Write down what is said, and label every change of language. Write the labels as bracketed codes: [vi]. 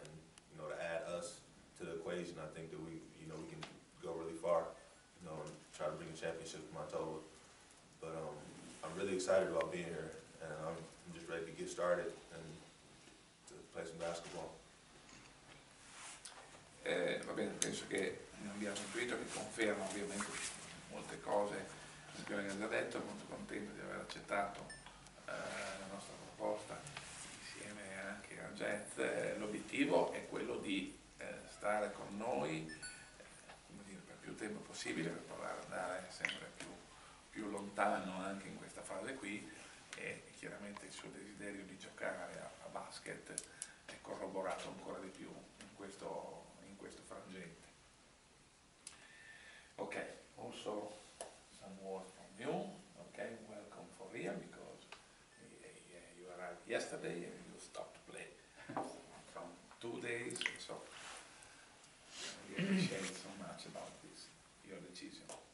[en] And, you know, to add us to the equation, I think that we, you know, we can go really far, you know, and try to bring a championship to Montola. But I'm really excited about being here, and I'm just ready to get started and to play some basketball. [it] Va bene, penso che abbiamo intuito, che conferma ovviamente molte cose che abbiamo già detto. Molto contento di aver accettato la nostra proposta insieme anche a Jet. L'obiettivo è quello di stare con noi, come dire, per più tempo possibile, per provare ad andare sempre più lontano anche in questa fase qui, e chiaramente il suo desiderio di giocare a basket è corroborato ancora di più in questo frangente. [en] Ok, also some words from you. Ok, welcome for real, because you arrived yesterday and you stopped play from 2 days, so I appreciate so much about this, your decision.